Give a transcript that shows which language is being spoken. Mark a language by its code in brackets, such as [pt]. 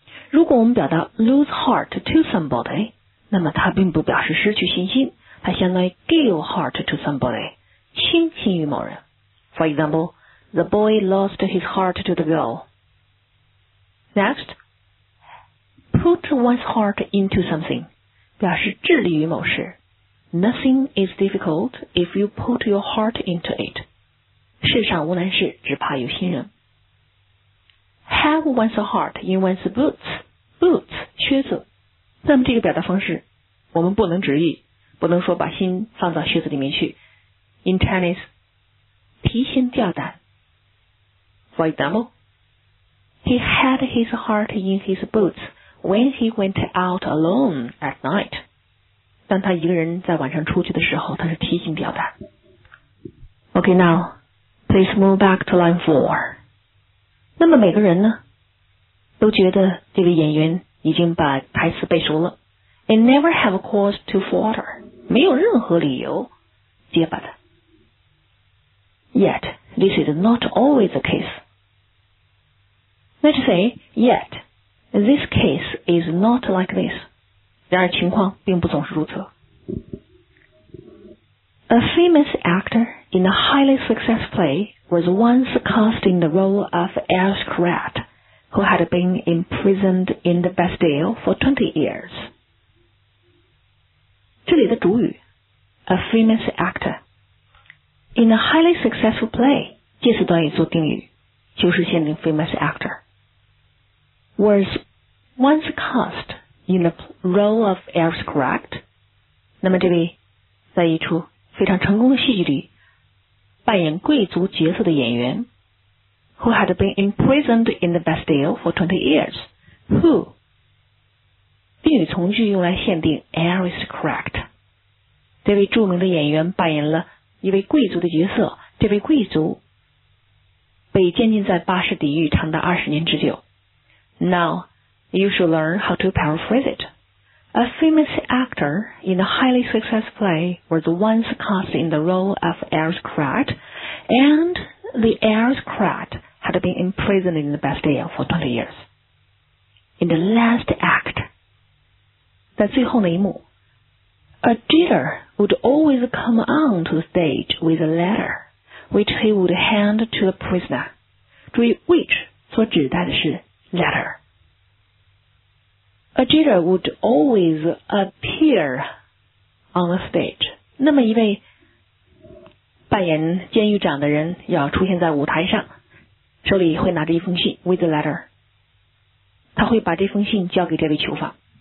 [zh] 如果我们表达 [en] lose heart to somebody， [zh] 那么它并不表示失去信心，它相当于 [en] give heart to somebody， [zh] 倾心于某人。 [en] For example， the boy lost his heart to the girl。 Next， put one's heart into something， [zh] 表示致力于某事。 [en] Nothing is difficult if you put your heart into it， [zh] 世上无难事，只怕有心人。 [en] Have one's heart in one's boots， boots 靴子。 [zh] 那么这个表达方式我们不能直译，不能说把心放到靴子里面去。 [en] In Chinese， [zh] 提心吊胆。 [en] For example， He had his heart in his boots when he went out alone at night， [zh] 当他一个人在晚上出去的时候，他是提心吊胆。 [en] OK， now please move back to line 4。 [zh] 那么每个人呢都觉得这位演员已经把台词背熟了。 [en] I never have a cause to falter， [zh] 没有任何理由结巴的。 [en] Yet this is not always the case， let's say yet this case is not like this， [zh] 然而情况并不总是如此。 [en] A famous actor in a highly successful playwas once cast in the role of Aristocrat who had been imprisoned in the Bastille for 20 years. [zh] 这里的主语 [en] a famous actor. In a highly successful play, [zh] 介词短语做定语，就是限定 [en] famous actor. Was once cast in the role of Aristocrat. [zh] 那么这里在一出非常成功的戏剧里扮演贵族角色的演员 [en] who had been imprisoned in the Bastille for 20 years， [zh] who 定语从句用来限定 aristocrat， 这位著名的演员扮演了一位贵族的角色，这位贵族被监禁在巴士底狱长达20年之久。 [en] Now you should learn how to paraphrase it. A famous actor in a highly successful play was once cast in the role of aristocrat, and the aristocrat had been imprisoned in the Bastille for 20 years. In the last act, [zh] 在最后那一幕， [en] a jailer would always come on to the stage with a letter, which he would hand to the prisoner. [zh] 注意 which 所指代的是 letter。 [en] A jailer would always appear on the stage. [zh] 那么一位扮演监狱长的人要出现在舞台上，手里会拿着一封信 [en] with a letter. [zh] 他会把这封信交给这位囚犯。